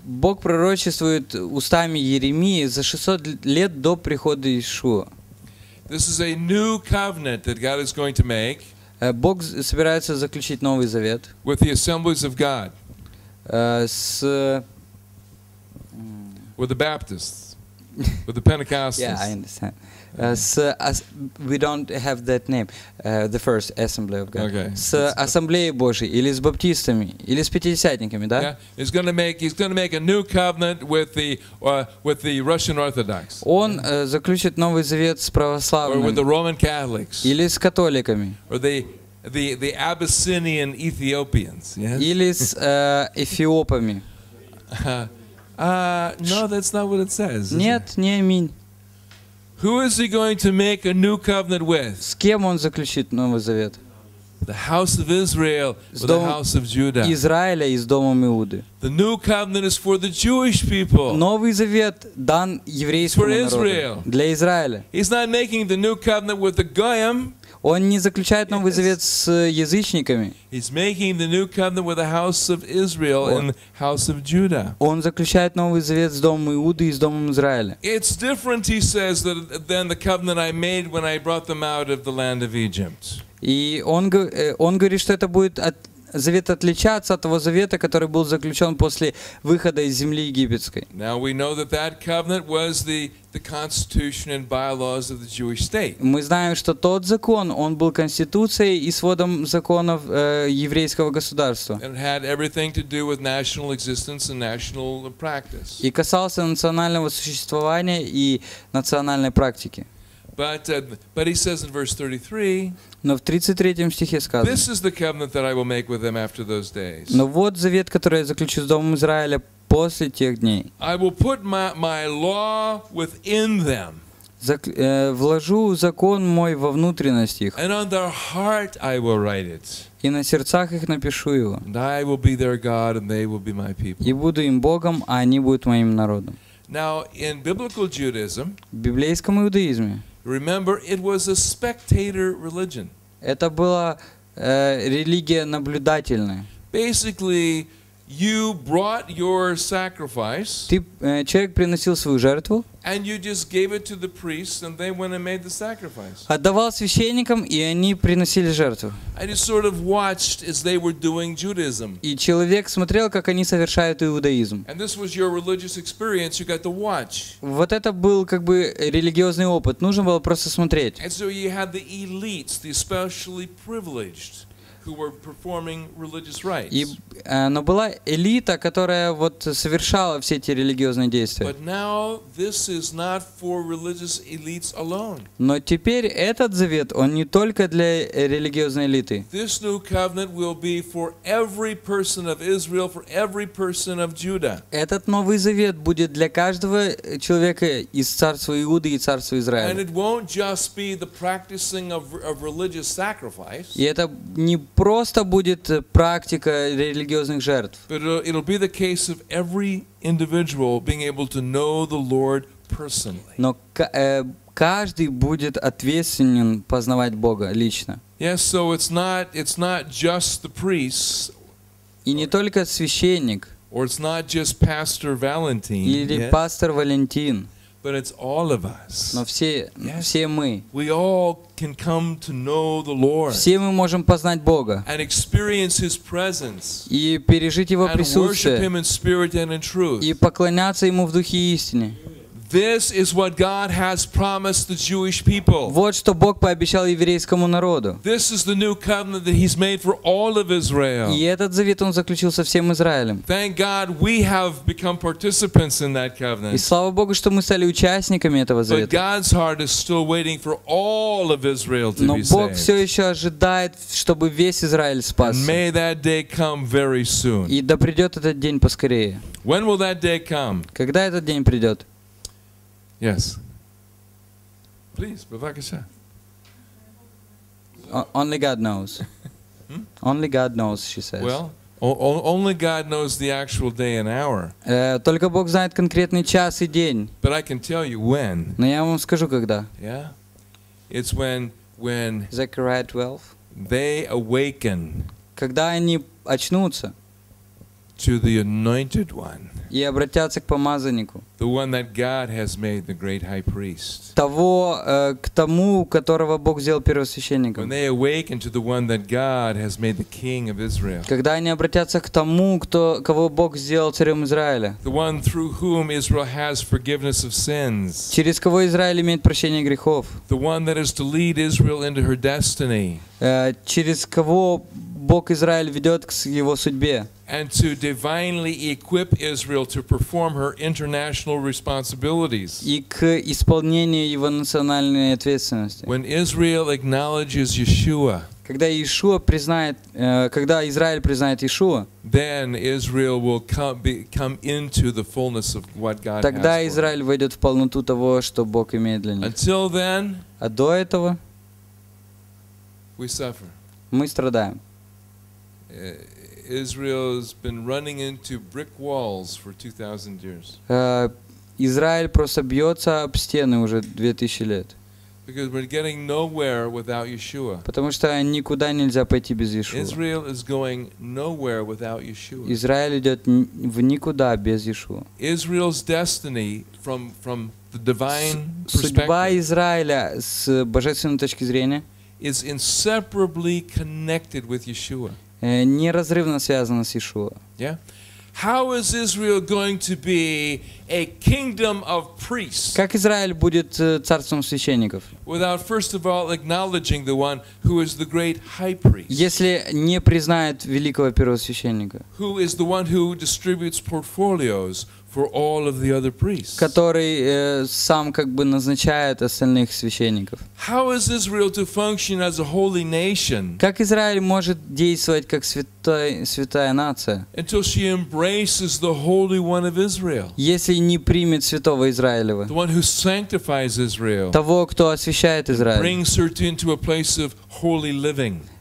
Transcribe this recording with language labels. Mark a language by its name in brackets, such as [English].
[Russian] Бог пророчествует устами Иеремии за 600 лет до прихода Иешуа. [English] This is a new covenant that God is going to make. [Russian] Бог собирается заключить новый завет. [English] With the assemblies of God. With the Baptists. With the Pentecostals. Yeah, I understand. We don't have that name. The first assembly of God. Okay. [Russian] С ассамблеей Божьей или с баптистами или с пятидесятниками, да? [English] Yeah. He's going to make a new covenant with the Russian Orthodox. [Russian] Он заключит новый завет с православными. [English] Or with the Roman Catholics. [Russian] Или с католиками. [English] Or the Abyssinian Ethiopians. Yes. [Russian] Или с эфиопами. [English] No, that's not what it says. [Russian] Нет, не аминь. [English] Who is he going to make a new covenant with? [Russian] С кем он заключит новый завет? [English] The house of Israel or the house of Judah? [Russian] Израиля и с домом Иуды. [English] The new covenant is for the Jewish people. [Russian] Новый завет дан еврейскому народу. [English] For Israel. [Russian] Для Израиля. [English] He's not making the new covenant with the goyim. [Russian] Он не заключает новый завет с язычниками. [English] He's making the new covenant with the house of Israel and the house of Judah. [Russian] Он заключает новый завет с домом Иуды и с домом Израиля. [English] It's different, he says, than the covenant I made when I brought them out of the land of Egypt. [Russian] И он говорит, что это будет завет отличаться от того завета, который был заключен после выхода из земли египетской. [English] Now we know that that covenant was the constitution and bylaws of the Jewish state. [Russian] Мы знаем, что тот закон, он был конституцией и сводом законов еврейского государства. [English] And it had everything to do with national existence and national practice. [Russian] И касался национального существования и национальной практики. [English] But he says in verse 33. [Russian] Но в 33 стихе сказано. [English] This is the covenant that I will make with them after those days. [Russian] Но вот завет, который я заключу с домом Израиля после тех дней. [English] I will put my law within them. [Russian] Вложу закон мой во внутренность их. [English] And on their heart I will write it. [Russian] И на сердцах их напишу его. [English] And I will be their God, and they will be my people. [Russian] И буду им Богом, а они будут моим народом. [English] Now in biblical Judaism. [Russian] В библейском иудаизме. [English] Remember, it was a spectator religion. [Russian] Это была религия наблюдательная. [English] Basically, you brought your sacrifice. [Russian] Ты человек приносил свою жертву. [English] And you just gave it to the priests, and they went and made the sacrifice. [Russian] Отдавал священникам, и они приносили жертву. [English] I just sort of watched as they were doing Judaism. [Russian] И человек смотрел, как они совершают иудаизм. [English] And this was your religious experience. You got to watch. [Russian] Вот это был как бы религиозный опыт. Нужно было просто смотреть. [English] And so you had the elites, the especially privileged. Who were performing religious rites? [Russian] Но была элита, которая вот совершала все эти религиозные действия. [English] But now this is not for religious elites alone. [Russian] Но теперь этот завет, он не только для религиозной элиты. [English] This new covenant will be for every person of Israel, for every person of Judah. [Russian] Этот новый завет будет для каждого человека из царства Иуды и царства Израиля. [English] And it won't just be the practicing of religious sacrifice. [Russian] И это не просто будет практика религиозных жертв. [English] It'll be the case of every individual being able to know the Lord personally. [Russian] Но каждый будет ответственен познавать Бога лично. [English] Yes, so it's not just the priests. [Russian] И не только священник. [English] Or it's not just Pastor Valentin. [Russian] Или пастор Валентин. [English] But it's all of us. [Russian] Но все, [English] yes, [Russian] все мы. [English] We all can come to know the Lord. [Russian] Все мы можем познать Бога. [English] And experience His presence. [Russian] И пережить Его присутствие. [English] And worship Him in spirit and in truth. [Russian] И поклоняться Ему в духе и истине. [English] This is what God has promised the Jewish people. [Russian] Вот что Бог пообещал еврейскому народу. [English] This is the new covenant that He's made for all of Israel. [Russian] И этот завет Он заключил со всем Израилем. [English] Thank God we have become participants in that covenant. [Russian] И слава Богу, что мы стали участниками этого завета. [English] But God's heart is still waiting for all of Israel to be saved. [Russian] Но Бог все еще ожидает, чтобы весь Израиль спасся. [English] And may that day come very soon. [Russian] И да придет этот день поскорее. [English] When will that day come? [Russian] Когда этот день придет? [English] Yes. Please, Bavakasha. Only God knows. Only God knows, she says. Well, only God knows the actual day and hour. [Russian] Только Бог знает конкретный час и день. [English] But I can tell you when. [Russian] Но я вам скажу когда. [English] Yeah. It's when Zechariah 12. They awaken. [Russian] Когда они очнутся. [English] To the anointed one. [Russian] И обратятся к помазаннику. [English] The one that God has made the great high priest. [Russian] Того, к тому, которого Бог сделал первосвященником. [English] When they awaken to the one that God has made the king of Israel. [Russian] Когда они обратятся к тому, кого Бог сделал царем Израиля. [English] The one through whom Israel has forgiveness of sins. [Russian] Через кого Израиль имеет прощение грехов. [English] The one that is to lead Israel into her destiny. [Russian] Через кого Бог Израиль ведет к его судьбе. [English] And to divinely equip Israel to perform her international responsibilities. [Russian] И к исполнению его национальной ответственности. [English] When Israel acknowledges Yeshua. [Russian] Когда Израиль признает Иешуа. [English] Then Israel will come into the fullness of what God has. [Russian] Тогда Израиль войдет в полноту того, что Бог имеет для них. [English] Until then. [Russian] А до этого. [English] We suffer. [Russian] Мы страдаем. [English] Israel has been running into brick walls for 2,000 years. [Russian] Израиль просто бьется об стены уже 2000 лет. [English] Because we're getting nowhere without Yeshua. [Russian] Потому что никуда нельзя пойти без Иешуа. [English] Israel is going nowhere without Yeshua. [Russian] Израиль идет в никуда без Иешуа. [English] Israel's destiny from the divine perspective. [Russian] Судьба Израиля с божественной точки зрения [English] is inseparably connected with Yeshua. [Russian] неразрывно связано с Иешуа. [English] How is Israel going to be a kingdom of priests? [Russian] Как Израиль будет царством священников? [English] Without first of all acknowledging the one who is the great high priest. [Russian] Если не признает великого первосвященника. [English] Who is the one who distributes portfolios for all of the other priests? [Russian] Который сам как бы назначает остальных священников. [English] How is Israel to function as a holy nation? [Russian] Как Израиль может действовать как святая нация? [English] Until she embraces the Holy One of Israel. [Russian] Если не примет святого Израилева. [English] The one who sanctifies Israel. [Russian] Того, кто освящает Израиль. [English] Brings her into a place of holy living.